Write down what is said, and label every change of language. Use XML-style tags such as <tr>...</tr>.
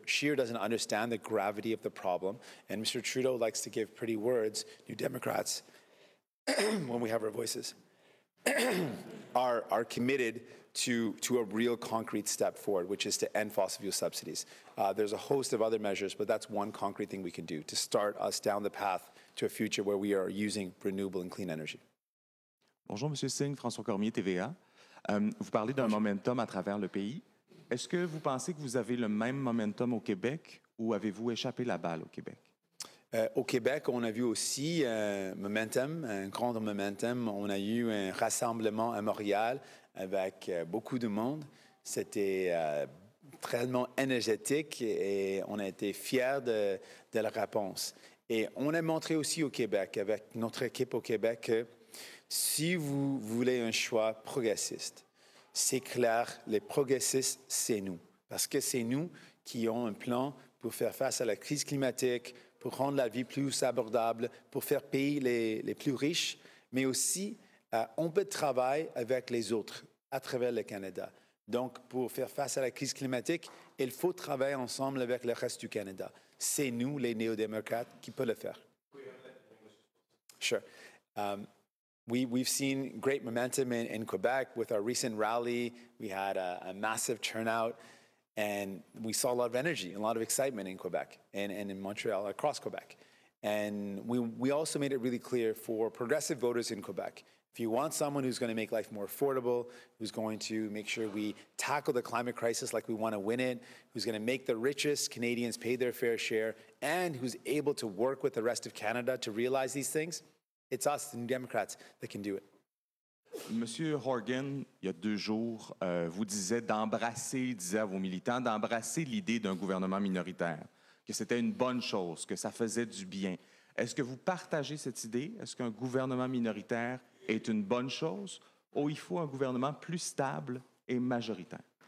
<en>Scheer doesn't understand the gravity of the problem, and Mr. Trudeau likes to give pretty words, New Democrats, when we have our voices, are committed to a real concrete step forward, which is to end fossil fuel subsidies. There's a host of other measures, but that's one concrete thing we can do to start us down the path to a future where we are using renewable and clean energy.</en> <fr>Bonjour, Monsieur Singh, François Cormier, TVA. Vous parlez d'un momentum à travers le pays. Est-ce que vous pensez que vous avez le même momentum au Québec ou avez-vous échappé la balle au Québec? Au Québec, on a vu aussi momentum, un grand momentum. On a eu un rassemblement à Montréal avec beaucoup de monde. C'était très énergétique et on a été fiers de la réponse. Et on a montré aussi au Québec, avec notre équipe au Québec, que si vous voulez un choix progressiste, c'est clair, les progressistes, c'est nous. Parce que c'est nous qui avons un plan pour faire face à la crise climatique, pour rendre la vie plus abordable, pour faire payer les plus riches, mais aussi on peut travailler avec les autres à travers le Canada. Donc, pour faire face à la crise climatique, il faut travailler ensemble avec le reste du Canada. C'est nous, les néo-démocrates, qui peut le faire.</fr> <en>Sure. We've seen great momentum in Quebec with our recent rally. We had a massive turnout, and we saw a lot of energy, a lot of excitement in Quebec and in Montreal, across Quebec. And we also made it really clear for progressive voters in Quebec, if you want someone who's going to make life more affordable, who's going to make sure we tackle the climate crisis like we want to win it, who's going to make the richest Canadians pay their fair share, and who's able to work with the rest of Canada to realize these things, it's us, the New Democrats, that can do it.</en> <fr>Monsieur Horgan, il y a deux jours, vous disiez d'embrasser, disiez à vos militants, d'embrasser l'idée d'un gouvernement minoritaire, que c'était une bonne chose, que ça faisait du bien. Est-ce que vous partagez cette idée? Est-ce qu'un gouvernement minoritaire est une bonne chose ou il faut un gouvernement plus stable et majoritaire?</fr>